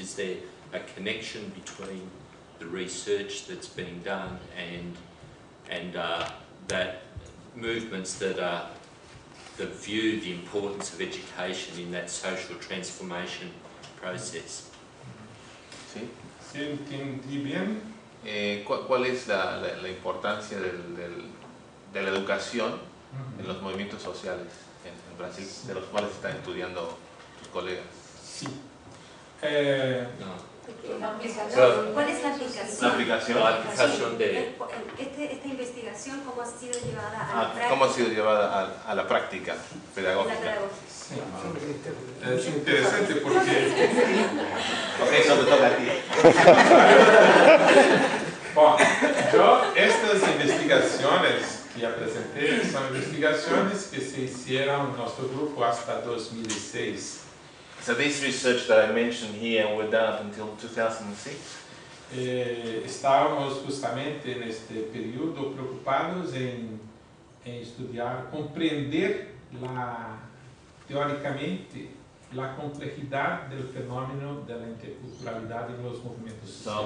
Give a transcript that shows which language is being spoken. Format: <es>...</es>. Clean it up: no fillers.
<en>Is there a connection between the research that's being done and that movements that view the importance of education in that social transformation process?</en> <es>Sí, entendí bien. ¿Cuál es la importancia de la educación en los movimientos sociales en Brasil, sí, de los cuales están estudiando tus colegas? Sí. ¿Cuál es la aplicación? La aplicación de... Esta investigación, ¿cómo ha sido llevada a la práctica? ¿Cómo ha sido llevada a la práctica pedagógica? Sí. Es interesante porque... Ok, eso te toca a ti. Yo, estas investigaciones que apresenté son investigaciones que se hicieron en nuestro grupo hasta 2006.</es> <en>So this research that I mentioned here were done until 2006.</en> <es>Estábamos justamente en este periodo preocupados en estudiar, comprender teóricamente la complejidad del fenómeno de la interculturalidad en los movimientos sociales.</es>